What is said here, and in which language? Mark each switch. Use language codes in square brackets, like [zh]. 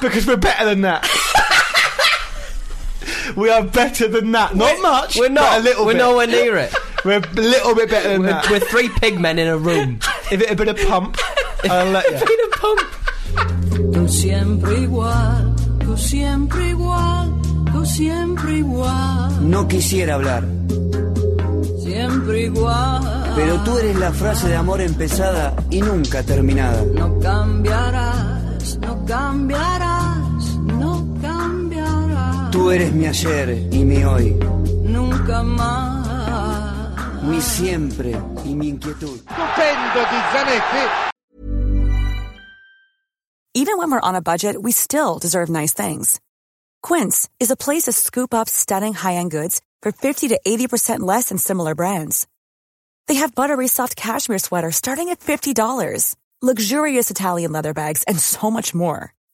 [en] Because we're better than that. We are better than that. Not much. We're not. But a little we're bit. We're nowhere near it. We're a little bit better than that. We're three pig men in a room. If it had been a pump, I'll let you. If it had been a pump. [es] Tú siempre igual, tú siempre igual, tú siempre igual. No quisiera hablar. Siempre igual. Pero tú eres la frase de amor empezada y nunca terminada. No cambiarás, no cambiarás, no cambiarás. Tú eres mi ayer y mi hoy. Nunca más. Mi siempre y mi inquietud. Estupendo, Zanetti. [en] Even when we're on a budget, we still deserve nice things. Quince is a place to scoop up stunning high-end goods for 50 to 80% less than similar brands. They have buttery soft cashmere sweaters starting at $50, luxurious Italian leather bags, and so much more.